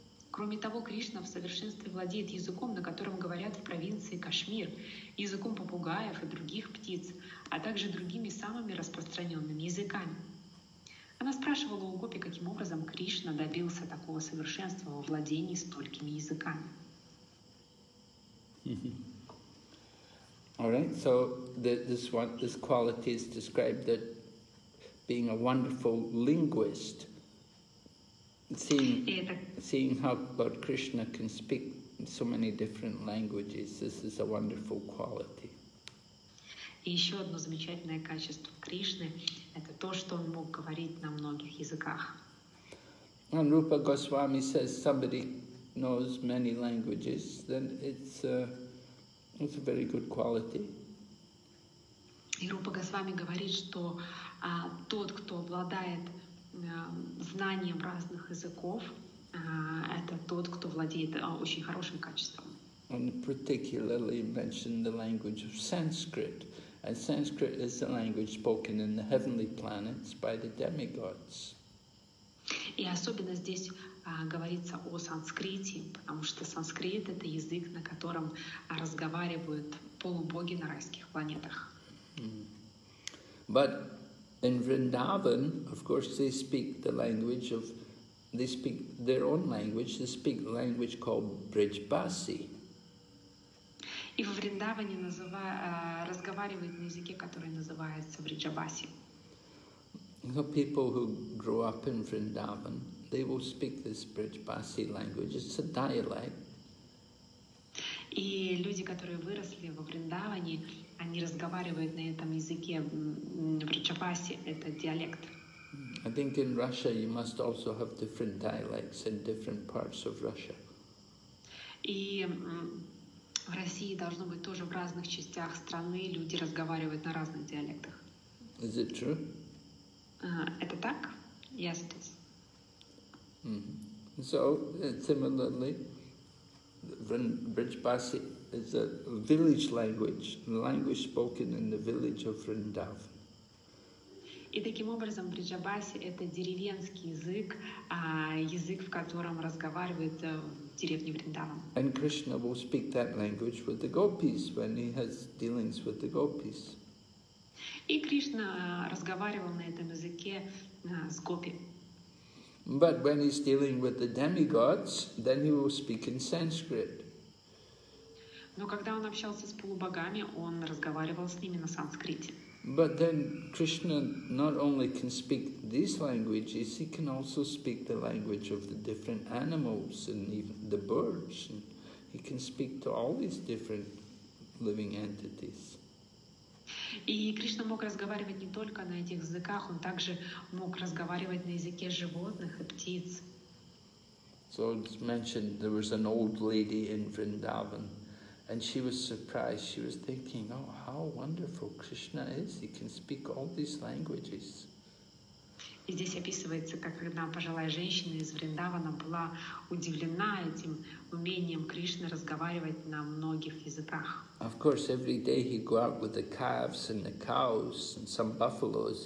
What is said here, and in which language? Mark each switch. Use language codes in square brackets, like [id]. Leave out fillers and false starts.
[ru] Кроме того, Кришна в совершенстве владеет языком, на котором говорят в провинции Кашмир, языком попугаев и других птиц, а также другими самыми распространенными языками. Она спрашивала у гопи, каким образом Кришна добился такого совершенства во владении столькими языками. [en] All right, so this quality is described that being a wonderful linguist, seeing how Lord Krishna can speak so many different languages, this is a wonderful quality. [ru] И еще одно замечательное качество Кришны – это то, что он мог говорить на многих языках. [en] And Rupa Goswami says, somebody knows many languages, then it's a very good quality. [ru] И Рупа Госвами говорит, что тот, кто обладает знанием разных языков, это тот, кто владеет очень хорошим качеством. [en] And particularly mentioned the language of Sanskrit. And Sanskrit is the language spoken in the heavenly planets by the demigods. [ru] И особенно здесь говорится о санскрите, потому что санскрит — это язык, на котором разговаривают полубоги на райских планетах. [en] But in Vrindavan, of course, they speak the language of, they speak their own language, they speak a language called Brijbasi. [ru] И во Вриндаване разговаривают на языке, который называется Бриджабаси. [en] The people who grew up in Vrindavan, they will speak this Brijbasi language. It's a dialect. [ru] И люди, которые выросли во Вриндаване, они разговаривают на этом языке Бриджабаси, это диалект. [en] I think in Russia you must also have different dialects in different parts of Russia. [ru] И в России должно быть тоже в разных частях страны люди разговаривают на разных диалектах. [en] Is it true? [ru] Это так? [en] Yes, it is. Mm-hmm. So, similarly, Brijbasi is a village language, a language spoken in the village of Vrindavan. [ru] И таким образом, Бриджабаси — это деревенский язык, язык, в котором разговаривают в деревне Вриндаван. [en] And Krishna will speak that language with the gopis when he has dealings with the gopis. [ru] И Кришна разговаривал на этом языке с гопи. [en] But when he's dealing with the demigods, then he will speak in Sanskrit. [ru] Но когда он общался с полубогами, он разговаривал с ними на санскрите. [en] But then Krishna not only can speak these languages, he can also speak the language of the different animals and even the birds. And he can speak to all these different living entities. [ru] И Кришна мог разговаривать не только на этих языках, он также мог разговаривать на языке животных и птиц. [en] So it's mentioned there was an old lady in Vrindavan. And she was surprised. She was thinking, oh, how wonderful Krishna is. He can speak all these languages. [ru] И здесь описывается, как одна пожилая женщина из Вриндавана была удивлена этим умением Кришны разговаривать на многих языках. [en] Of course, every day he'd go out with the calves and the cows and some buffaloes.